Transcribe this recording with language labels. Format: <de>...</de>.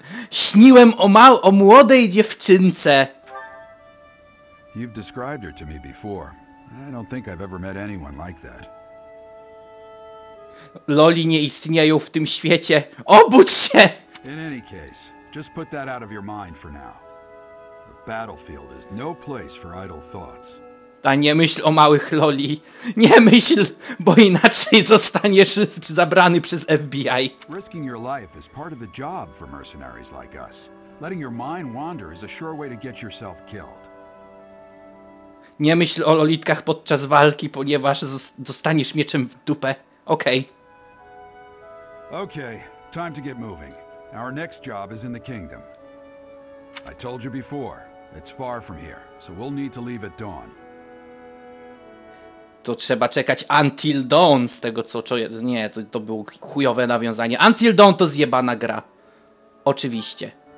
<pl>Śniłem o młodej dziewczynce.</pl> <en>You've described her to me before. I don't think I've ever met anyone like that.</en> <pl>Loli nie istnieją w tym świecie. Obudź się.</pl> <en>In any case, just put that out of your mind for now. The battlefield is no place for idle thoughts.</en> <pl>Ta, nie myśl o małych Loli. Nie myśl, bo inaczej zostaniesz zabrany przez FBI.</pl> <en>Risking your life is part of the job for mercenaries like us. Letting your mind wander is a sure way to get yourself killed.</en> <pl>Nie myśl o lolitkach podczas walki, ponieważ dostaniesz mieczem w dupę.</pl> <en>Okej. Okay, time to get moving. Our next job is in the kingdom. I told you before, it's far from here, so we'll need to leave at dawn.</en> <pl>To trzeba czekać Until Dawn, z tego co czuję. Nie, to było chujowe nawiązanie. Until Dawn to zjebana gra. Oczywiście.</pl>